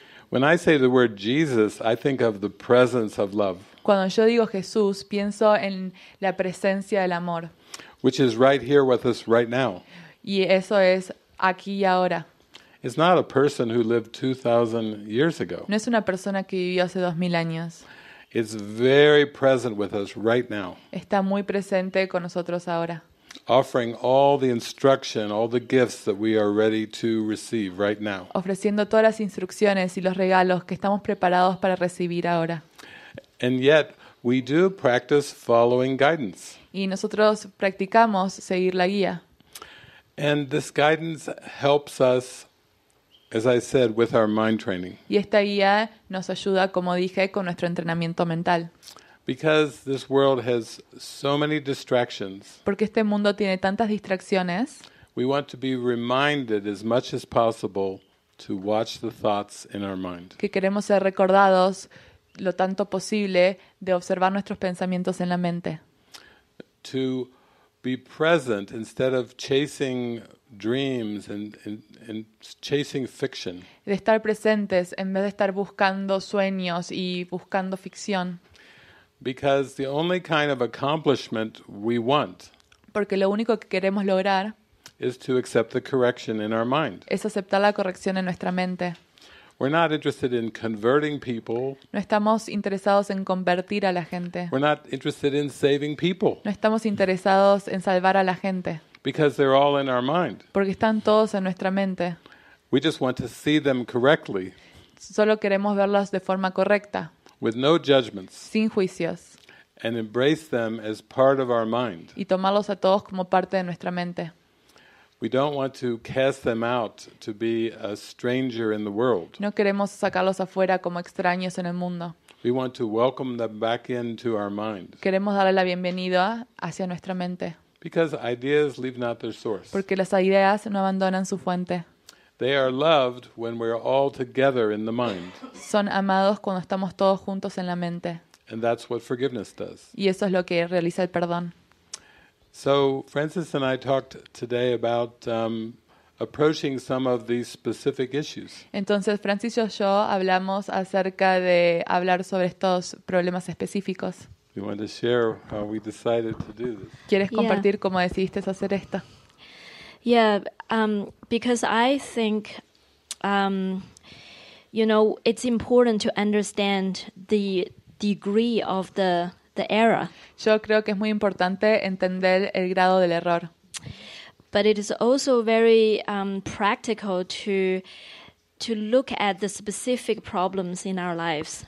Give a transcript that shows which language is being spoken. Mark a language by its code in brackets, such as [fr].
[en] When I say the word Jesus, I think of the presence of love. [es] Cuando yo digo Jesús, pienso en la presencia del amor. [en] Which is right here with us right now. [es] Y eso es aquí y ahora. [en] It's not a person who lived 2000 years ago. [es] No es una persona que vivió hace 2000 años. [en] It's very present with us right now. [es] Está muy presente con nosotros ahora. [en] Offering all the instruction, all the gifts that we are ready to receive right now. [es] Ofreciendo todas las instrucciones y los regalos que estamos preparados para recibir ahora. [en] And yet, we do practice following guidance. [es] Y nosotros practicamos seguir la guía. [en] And this guidance helps us, as I said, with our mind training. [es] Y esta guía nos ayuda, como dije, con nuestro entrenamiento mental. [en] Because this world has so many distractions. [es] Porque este mundo tiene tantas distracciones. [en] We want to be reminded as much as possible to watch the thoughts in our mind. [es] Que queremos ser recordados lo tanto posible de observar nuestros pensamientos en la mente. [en] To be present instead of chasing dreams and chasing fiction. [es] De estar presentes en vez de estar buscando sueños y buscando ficción. [en] Because the only kind of accomplishment we want. [es] Porque lo único que queremos lograr [en] is to accept the correction in our mind. [es] Es aceptar la corrección en nuestra mente. [en] We're not interested in converting people. [es] No estamos interesados en convertir a la gente. [en] We're not interested in saving people. [es] No estamos interesados en salvar a la gente. [en] Because they're all in our mind. [es] Porque están todos en nuestra mente. [en] We just want to see them correctly. [es] Solo queremos verlos de forma correcta. [en] With no judgments. [es] Sin juicios. [en] And embrace them as part of our mind. [es] Y tomarlos a todos como parte de nuestra mente. [en] We don't want to cast them out to be a stranger in the world. [es] No queremos sacarlos afuera como extraños en el mundo. [en] We want to welcome them back into our mind. [es] Queremos darle la bienvenida hacia nuestra mente. [en] Because ideas leave not their source. [es] Porque las ideas no abandonan su fuente. [en] They are loved when we're all together in the mind. [es] Son amados cuando estamos todos juntos en la mente. [en] And that's what forgiveness does. [es] Y eso es lo que realiza el perdón. [en] So Francis and I talked today about approaching some of these specific issues. [es] Entonces Francis y yo hablamos acerca de hablar sobre estos problemas específicos. [en] You want to share how we decided to do this? [es] ¿Quieres compartir cómo decidiste hacer esto? [en] Yeah, because I think, you know, it's important to understand the degree of the error. [es] Yo creo que es muy importante entender el grado del error. [en] But it is also very practical to look at the specific problems in our lives.